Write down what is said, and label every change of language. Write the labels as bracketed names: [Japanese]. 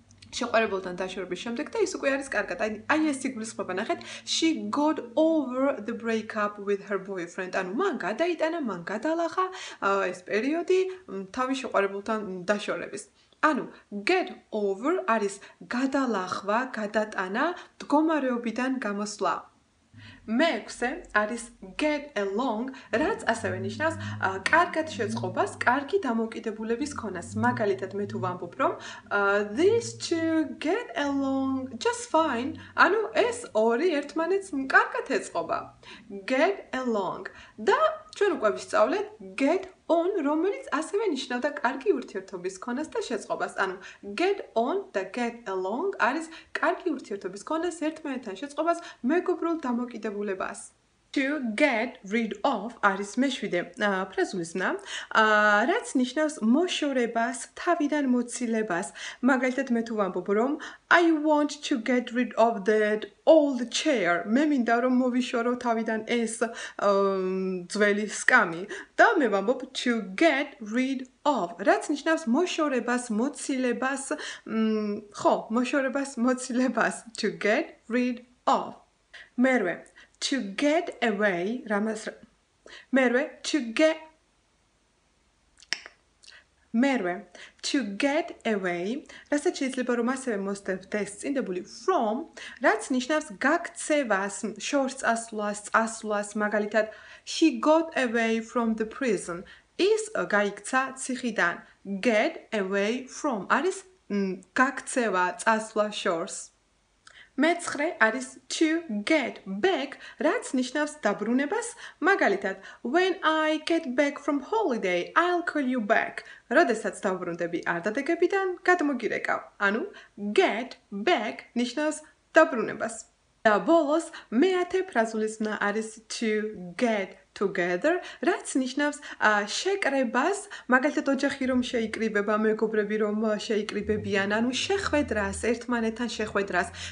[Georgian] შეყვარებულთან დაშორების შემდეგ და ის უკვე არის კარგად. აი ეს სიგულისხმობა ნახეთ. [English] She got over the breakup with her boyfriend. [Georgian] ანუ მან გადაიტანა, მან გადალახა ეს პერიოდი თავის შეყვარებულთან დაშორების. ანუ get over არის გადალახვა, გადატანა, მდგომარეობიდან გამოსვლა. Მეექვსე არის get along, რაც ასევე ნიშნავს კარგად შეწყობას, კარგი დამოკიდებულების ქონას. მაგალითად, მე თუ ვამბობ რომ [English] this to get along just fine, [Georgian] ანუ ეს ორი ერთმანეთს კარგად ეწყობა. Get along. და ჩვენ უკვე ვისწავლეთ get on, რომელიც ასევე ნიშნავდა კარგი ურთიერთობის ქონას და შეწყობას. ანუ get on და get along არის კარგი ურთიერთობის ქონას, ერთმანეთთან შეწყობას, მეგობრულ დამოკიდებულებას. To get rid of არის მეშვიდე ფრაზულის ნა, რაც ნიშნავს მოშორებას, თავიდან მოცილებას. მაგალითად, მე თუ ვამბობ რომ [English] I want to get rid of that old chair. [Georgian] მე მინდა რომ მოვიშორო თავიდან ეს ძველი სკამი. და მე ვამბობ to get rid of, რაც ნიშნავს მოშორებას, მოცილებას. ხო, მოშორებას, მოცილებას. To get rid of. მერვე to get away, ramas merwe to get merwe to get away, რასაც შეიძლება რომ ასევე მოსდევთ ეს წინდებული from, რაც ნიშნავს გაქცევას, შორს ასვლას, წასვლას. [English] მაგალითად, she got away from the prison, [Georgian] ის გაიქცა ციხიდან. Get away from არის გაქცევა, წასვლა, შორს. მეცხრე არის to get back, რაც ნიშნავს დაბრუნებას. [English] მაგალითად, when I get back from holiday, I'll call you back. [Georgian] როდესაც დაბრუნდები არდადეგებიდან, გადმოგირეკავ. ანუ get back ნიშნავს დაბრუნებას. და ბოლოს, მეათე ფრაზულის ნა არის to get together, რაც ნიშნავს შეკრებას. მაგალითად, ოჯახი რომ შეიკრიბება, მეგობრები რომ შეიკრიბებიან, ანუ შეხვედრას, ერთმანეთთან შეხვედრას.